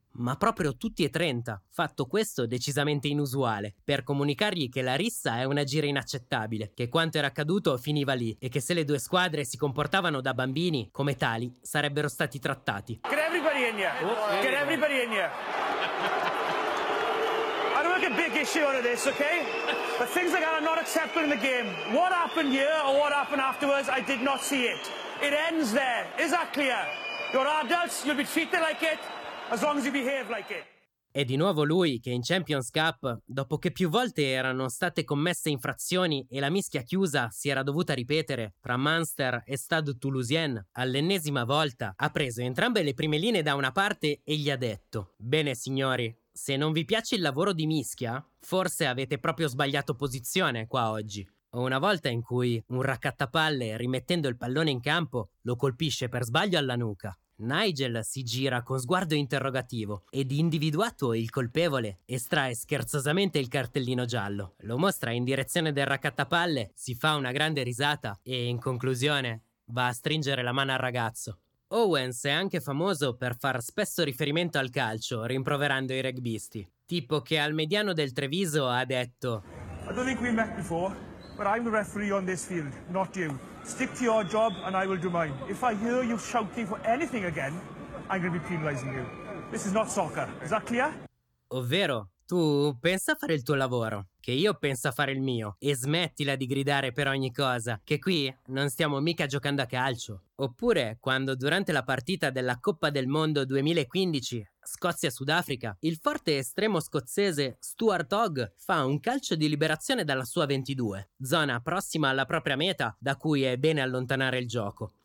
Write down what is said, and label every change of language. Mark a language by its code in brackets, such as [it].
[it] Ma proprio tutti e 30, fatto questo decisamente inusuale, per comunicargli che la rissa è una gira inaccettabile, che quanto era accaduto finiva lì e che se le due squadre si comportavano da bambini, come tali, sarebbero stati trattati. [en] Can everybody in here? Can everybody in here? I don't make a big issue out of this, okay? But things like that are not acceptable in the game. What happened here or what happened afterwards, I did not see it. It ends there. Is that clear? You're adults, you'll be treated like it. As long as you behave like it. [it] È di nuovo lui che in Champions Cup, dopo che più volte erano state commesse infrazioni e la mischia chiusa si era dovuta ripetere tra Munster e Stade Toulousain, all'ennesima volta ha preso entrambe le prime linee da una parte e gli ha detto: «Bene signori, se non vi piace il lavoro di mischia, forse avete proprio sbagliato posizione qua oggi». O una volta in cui un raccattapalle, rimettendo il pallone in campo, lo colpisce per sbaglio alla nuca. Nigel si gira con sguardo interrogativo ed, individuato il colpevole, estrae scherzosamente il cartellino giallo. Lo mostra in direzione del raccattapalle, si fa una grande risata e, in conclusione, va a stringere la mano al ragazzo. Owens è anche famoso per far spesso riferimento al calcio, rimproverando i rugbisti. Tipo che al mediano del Treviso ha detto: [en] I don't think we've met before, but I'm the referee on this field, not you. Stick to your job and I will do mine. If I hear you shouting for anything again, I'm going to be penalizing you. This is not soccer. Is that clear? [it] Ovvero, tu pensa a fare il tuo lavoro, che io penso a fare il mio, e smettila di gridare per ogni cosa, che qui non stiamo mica giocando a calcio. Oppure, quando durante la partita della Coppa del Mondo 2015, Scozia-Sudafrica, il forte estremo scozzese Stuart Hogg fa un calcio di liberazione dalla sua 22, zona prossima alla propria meta da cui è bene allontanare il gioco.